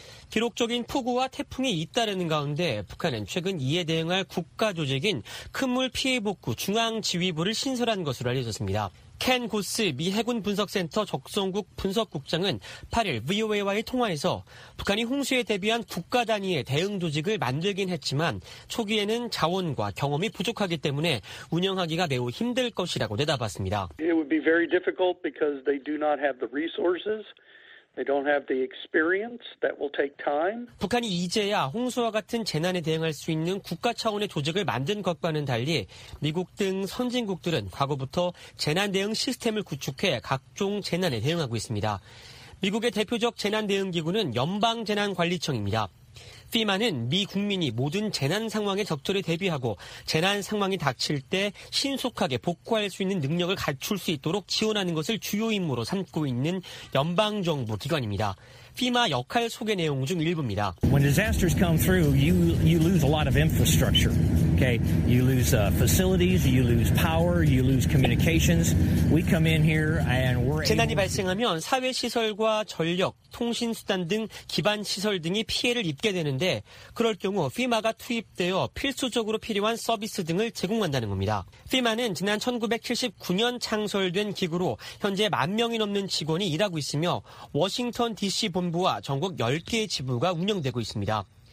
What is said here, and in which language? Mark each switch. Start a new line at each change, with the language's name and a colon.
Korean: 기록적인 폭우와 태풍이 잇따르는 가운데 북한은 최근 이에 대응할 국가조직인 큰물 피해복구 중앙지휘부를 신설한 것으로 알려졌습니다. 켄 고스 미 해군 분석센터 적성국 분석국장은 8일 VOA와의 통화에서 북한이 홍수에 대비한 국가 단위의 대응 조직을 만들긴 했지만 초기에는 자원과 경험이 부족하기 때문에 운영하기가 매우 힘들 것이라고 내다봤습니다.
English: It would be very difficult because they do not have the resources. They don't have the experience that will take time.
Korean: 북한이 이제야 홍수와 같은 재난에 대응할 수 있는 국가 차원의 조직을 만든 것과는 달리 미국 등 선진국들은 과거부터 재난 대응 시스템을 구축해 각종 재난에 대응하고 있습니다. 미국의 대표적 재난 대응 기구는 연방 재난 관리청입니다. FEMA는 미 국민이 모든 재난 상황에 적절히 대비하고 재난 상황이 닥칠 때 신속하게 복구할 수 있는 능력을 갖출 수 있도록 지원하는 것을 주요 임무로 삼고 있는 연방정부 기관입니다. FEMA 역할 소개 내용 중 일부입니다.
English: When disasters come through, you lose a lot of infrastructure. Okay, you lose facilities, you lose power, you lose communications. We come in here and we're
Korean: 재난이 발생하면 사회 시설과 전력, 통신 수단 등 기반 시설 등이 피해를 입게 되는데 그럴 경우 FEMA가 투입되어 필수적으로 필요한 서비스 등을 제공한다는 겁니다. FEMA는 지난 1979년 창설된 기구로 현재 만 명이 넘는 직원이 일하고 있으며 워싱턴 DC 본부와 전국 10개의 지부가 운영되고 있습니다.